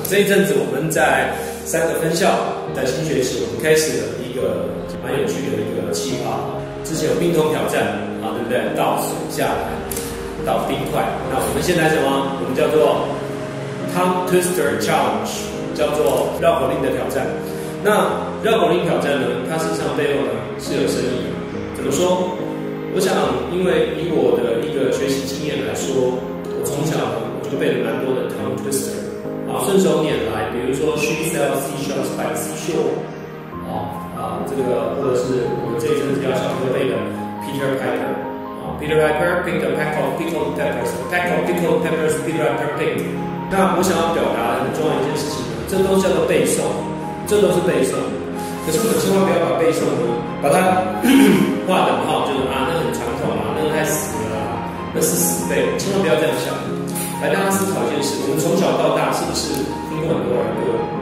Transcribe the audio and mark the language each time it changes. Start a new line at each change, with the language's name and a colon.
Chinese: 这一阵子我们在三个分校，在新学期我们开始了一个蛮有趣的一个企划，之前有冰桶挑战啊，对不对？倒水下来，倒冰块。那我们现在什么？我们叫做 Tongue Twister Challenge， 叫做绕口令的挑战。那绕口令挑战呢，它实际上背后呢是有深意。怎么说？我想，因为以我的一个学习经验来说，我从小就背了蛮多的 Tongue Twister， 啊，顺手拈来，比如说
English: She sells seashells by the seashore，
Chinese: 啊，这个或者是我这一阵子要小学背的
English: Peter Piper， 啊 ，Peter Piper picked
Chinese: a pack of pickled peppers， pack of pickled peppers Peter Piper picked。那我想要表达很重要一件事情，这都叫做背诵，这都是背诵。可是我们千万不要把背诵呢，把它画等号，就是啊，那很传统啊，那个太死了啊，那是死背，千万不要这样想。来，大家思考一件事：我们从小到大是不是听过很多儿歌？